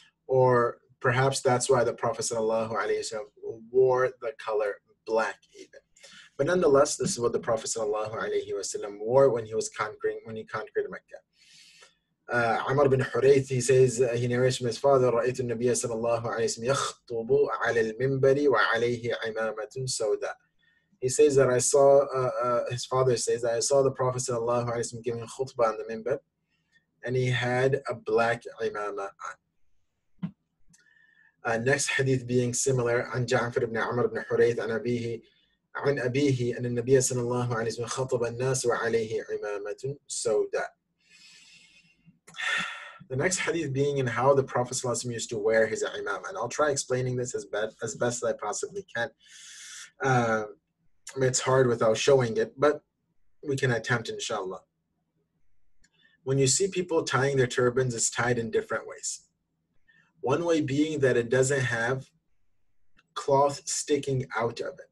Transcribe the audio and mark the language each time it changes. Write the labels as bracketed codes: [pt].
[en] Or perhaps that's why the Prophet sallallahu alaihi wasallam wore the color black even. But nonetheless, this is what the Prophet sallallahu alaihi wasallam wore when he was conquering, when he conquered Mecca. Umar bin Hurayth, he says, he narrates from his father, [ar] رَأَيْتُ النَّبِيَّ صَلَى اللَّهُ عَلَيْهِ وَسَلَّمَ يَخْطُبُ عَلَى الْمِنْبَرِ وَعَلَيْهِ عِمَامَةٌ سَوْدَى. [en] He says that I saw, his father says, that I saw the Prophet sallallahu alaihi wasallam giving khutbah on the minbar, and he had a black imama on. Next hadith being similar, [ar] عن جعفر بن عمر بن حريث عن أبيه أن النبي صلى الله عليه وسلم خطب الناس وعليه عمامة سوداء. [en] The next hadith being in how the Prophet صلى الله عليه وسلم used to wear his imam, and I'll try explaining this as best I possibly can. It's hard without showing it, but we can attempt inshallah. When you see people tying their turbans, it's tied in different ways. One way being that it doesn't have cloth sticking out of it.